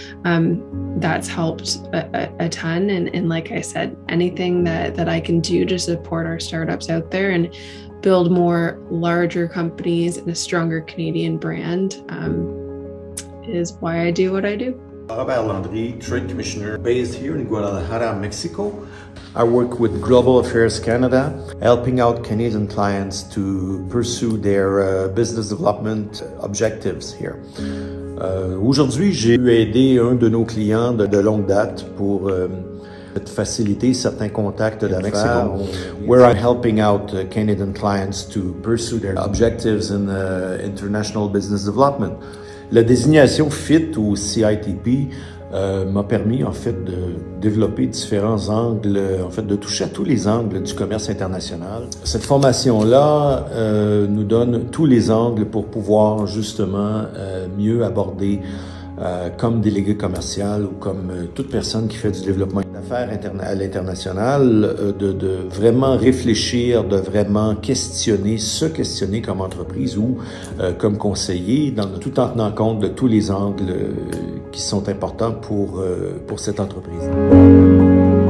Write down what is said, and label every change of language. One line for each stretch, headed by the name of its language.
English: That's helped a ton. And like I said, anything that I can do to support our startups out there and build more larger companies and a stronger Canadian brand is why I do what I do. Robert Landry, Trade Commissioner, based here in Guadalajara, Mexico. I work with Global Affairs Canada, helping out Canadian clients to pursue their business development objectives here.
French: Aujourd'hui, j'ai aidé un de nos clients de longue date pour de faciliter certains contacts d'affaires,
English: where I'm helping out Canadian clients to pursue their objectives in international business development.
French: La désignation FIT ou CITP m'a permis en fait de développer différents angles, en fait de toucher à tous les angles du commerce international. Cette formation-là nous donne tous les angles pour pouvoir justement mieux aborder comme délégué commercial ou comme toute personne qui fait du développement d'affaires à l'international, de vraiment réfléchir, de vraiment questionner, se questionner comme entreprise ou comme conseiller, tout en tenant compte de tous les angles qui sont importants pour cette entreprise.